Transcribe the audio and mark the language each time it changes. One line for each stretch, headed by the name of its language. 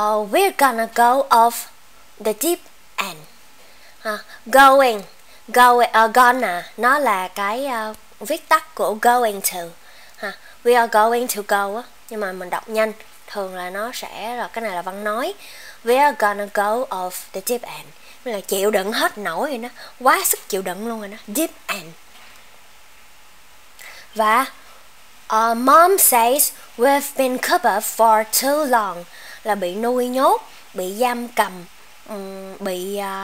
English: We're gonna go off the deep end. Gonna
Vietnamese: nó là cái viết tắt của
English: going to. We are going to go
Vietnamese: á, nhưng mà mình đọc nhanh thường là nó sẽ là cái này là văn nói.
English: We are gonna go off the deep end.
Vietnamese: Mình là chịu đựng hết nổi rồi đó, quá sức chịu đựng luôn rồi đó.
English: Deep end. Và Mom says we've been cooped up for too long.
Vietnamese: Là bị nuôi nhốt, bị giam cầm, bị